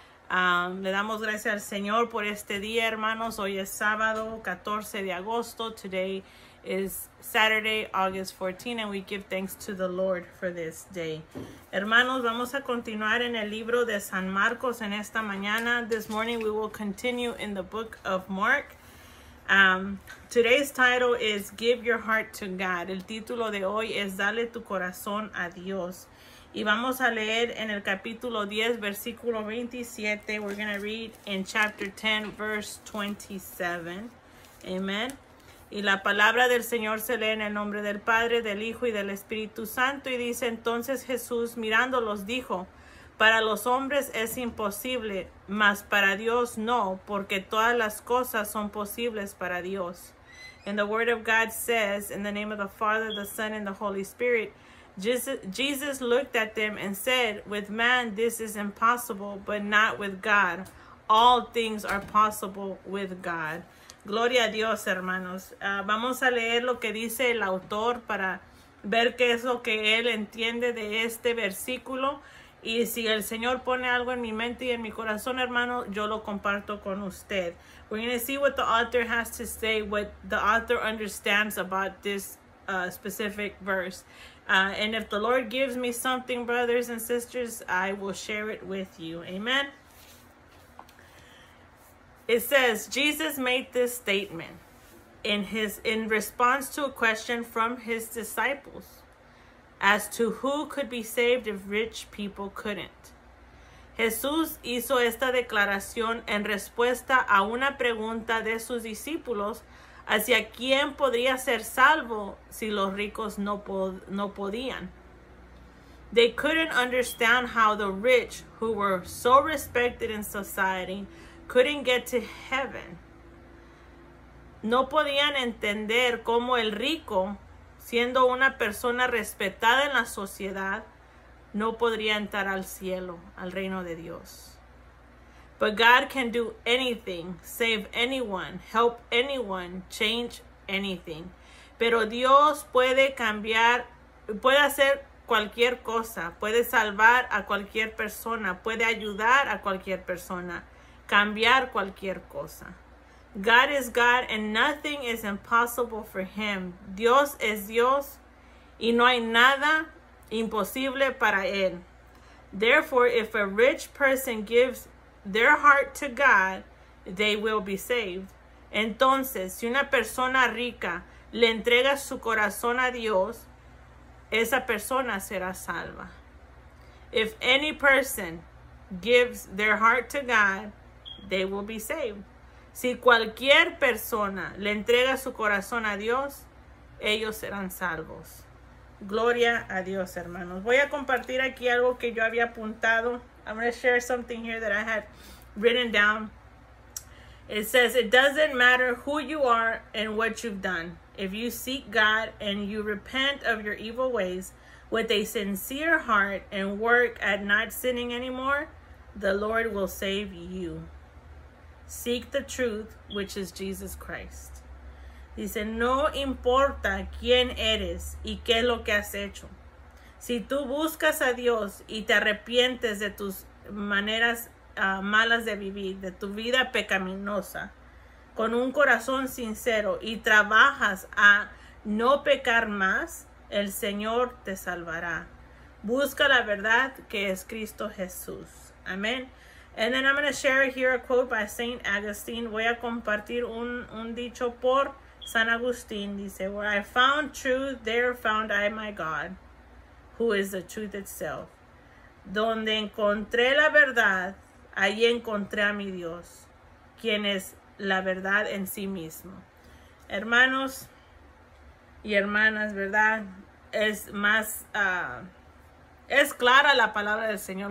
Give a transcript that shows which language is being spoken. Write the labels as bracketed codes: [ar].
[es] Le damos gracias al Señor por este día, hermanos. Hoy es sábado, 14 de agosto. [en] Today is Saturday, August 14, and we give thanks to the Lord for this day. [es] Hermanos, vamos a continuar en el libro de San Marcos en esta mañana. [en] This morning, we will continue in the book of Mark. Today's title is Give Your Heart to God. [es] El título de hoy es Dale Tu Corazón a Dios. Y vamos a leer en el capítulo 10, versículo 27. [en] We're going to read in chapter 10, verse 27. Amen. [es] Y la palabra del Señor se lee en el nombre del Padre, del Hijo y del Espíritu Santo. Y dice, entonces Jesús, mirándolos, dijo, para los hombres es imposible, mas para Dios no, porque todas las cosas son posibles para Dios. [en] And the word of God says, in the name of the Father, the Son, and the Holy Spirit, Jesus looked at them and said, with man this is impossible, but not with God. All things are possible with God. [es] Gloria a Dios, hermanos. Vamos a leer lo que dice el autor para ver qué es lo que él entiende de este versículo. Y si el Señor pone algo en mi mente y en mi corazón, hermano, yo lo comparto con usted. [en] We're going to see what the author has to say, what the author understands about this specific verse. And if the Lord gives me something, brothers and sisters, I will share it with you. Amen. It says, Jesus made this statement in response to a question from his disciples as to who could be saved if rich people couldn't. [es] Jesús hizo esta declaración en respuesta a una pregunta de sus discípulos hacia quién podría ser salvo si los ricos no podían. [en] They couldn't understand how the rich, who were so respected in society, couldn't get to heaven. [es] No podían entender cómo el rico, siendo una persona respetada en la sociedad, no podría entrar al cielo, al reino de Dios. [en] But God can do anything, save anyone, help anyone, change anything. [es] Pero Dios puede cambiar, puede hacer cualquier cosa, puede salvar a cualquier persona, puede ayudar a cualquier persona, cambiar cualquier cosa. [en] God is God and nothing is impossible for him. [es] Dios es Dios y no hay nada imposible para él. [en] Therefore, if a rich person gives their heart to God, they will be saved. [es] Entonces, si una persona rica le entrega su corazón a Dios, esa persona será salva. [en] If any person gives their heart to God, they will be saved. [es] Si cualquier persona le entrega su corazón a Dios, ellos serán salvos. Gloria a Dios, hermanos. Voy a compartir aquí algo que yo había apuntado. [en] I'm going to share something here that I had written down. It says, it doesn't matter who you are and what you've done. If you seek God and you repent of your evil ways with a sincere heart and work at not sinning anymore, the Lord will save you. Seek the truth, which is Jesus Christ. [es] Dice, no importa quién eres y qué es lo que has hecho. Si tú buscas a Dios y te arrepientes de tus maneras malas de vivir, de tu vida pecaminosa, con un corazón sincero y trabajas a no pecar más, el Señor te salvará. Busca la verdad que es Cristo Jesús. Amén. [en] And then I'm going to share here a quote by St. Augustine. [es] Voy a compartir un dicho por San Agustín. Dice, [en] where I found truth, there found I my God, who is the truth itself. [es] Donde encontré la verdad, allí encontré a mi Dios, quien es la verdad en sí mismo. Hermanos y hermanas, ¿verdad? Es más, es clara la palabra del Señor.